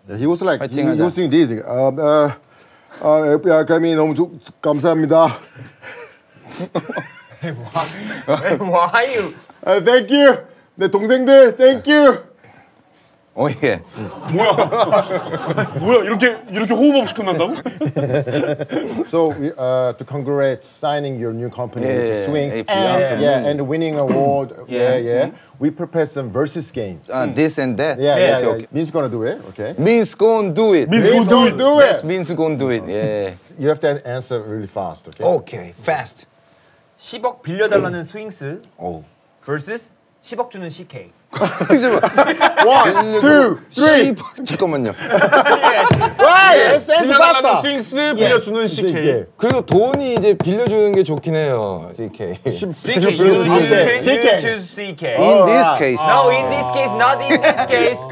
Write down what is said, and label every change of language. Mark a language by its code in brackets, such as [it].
[en] He was like, he was doing this. APL committee [ko] 너무 감사합니다. [en] Why? Why you? Thank you. [ko] 내 동생들, [en] thank you. 오 oh, 예. Yeah. [ko] 뭐야? 뭐야? 이렇게 호흡 없이 끝난다고? [en] So to congratulate signing your new company, yeah, yeah, Swings, APR and company. Yeah, and winning award. Yeah, yeah. yeah. Mm-hmm. We prepared some versus games. This and that. Yeah, yeah. Okay, okay. Means gonna do it. Okay. Means gonna do it. Means gonna do it. Yes, means gonna do it. Yeah. You have to answer really fast. Okay. Okay, fast. [ko] 10억 빌려달라는 스윙스 oh. versus 10억 주는 CK. [en] 1, 2, 3! [ko] 잠깐만요. [en] Yes! [ko] 빌려달라는 스윙스 빌려주는 CK. 그래도 돈이 이제 빌려주는 게 좋긴 해요. [en] CK. CK, you choose CK. CK. In this case. No, in this case, not in this case.